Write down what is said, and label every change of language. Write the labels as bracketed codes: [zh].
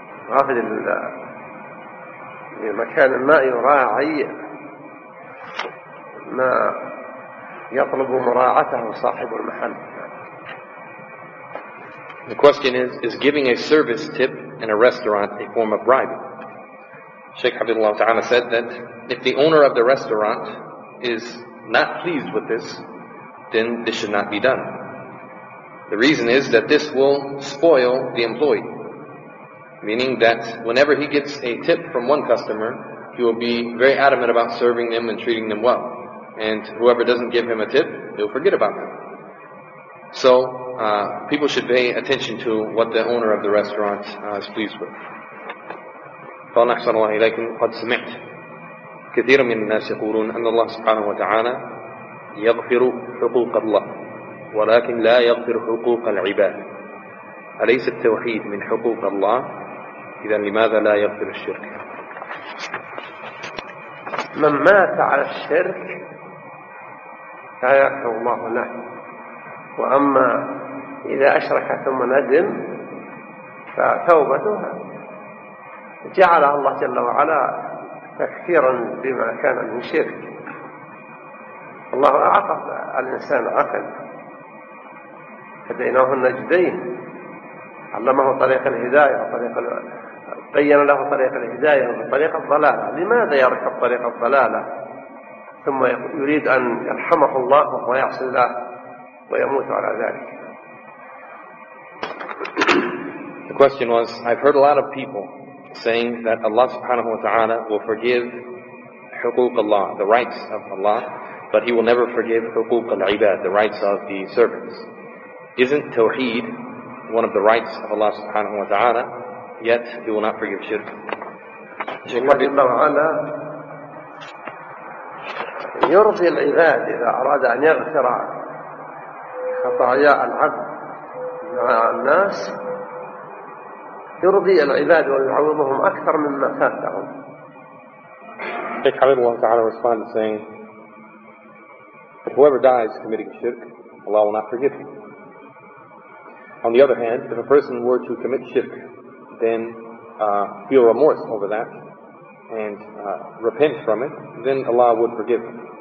[ar] غافل المكان ما يراعي ما يطلب مراعته صاحب المحل. [en] The question is giving a service tip in a restaurant a form of bribing? Sheikh Hafidhullah Ta'ala said that if the owner of the restaurant is not pleased with this, then this should not be done. The reason is that this will spoil the employee, meaning that whenever he gets a tip from one customer, he will be very adamant about serving them and treating them well. And whoever doesn't give him a tip, he'll forget about them. So people should pay attention to what the owner of the restaurant is pleased with. [ar] قال أحسن الله إليكم قد سمعت كثير من الناس يقولون أن الله سبحانه وتعالى يغفر حقوق الله ولكن لا يغفر حقوق العباد، أليس التوحيد من حقوق الله؟ إذا لماذا لا يغفر الشرك؟ من مات على الشرك لا يغفر الله له، وأما إذا أشرك ثم ندم فتوبته جعل الله جل وعلا تكفيرا بما كان من شرك. الله أعطى الإنسان عقل، هديناه النجدين، علمه طريق الهداية وطريق بين له طريق الهداية وطريق الضلالة. لماذا يركب طريق الضلالة ثم يريد أن يرحمه الله ويعصي الله ويموت على ذلك؟ [en] The question was, I've heard a lot of people saying that Allah subhanahu wa ta'ala will forgive [ar] حقوق الله, [en] the rights of Allah, but He will never forgive [ar] حقوق العباد, [en] the rights of the servants. Isn't Tawheed one of the rights of Allah subhanahu wa ta'ala, yet He will not forgive shirk? [ar] Allah jalla wa ala يرضي العباد إذا أراد أن يغفر خطايا العبد مع الناس يرضي العباد ويعوضهم أكثر مما فاتهم. [en] Sheikh Hamidullah Ta'ala responded saying, but whoever dies committing shirk, Allah will not forgive him. On the other hand, if a person were to commit shirk, then feel remorse over that and repent from it, then Allah would forgive him.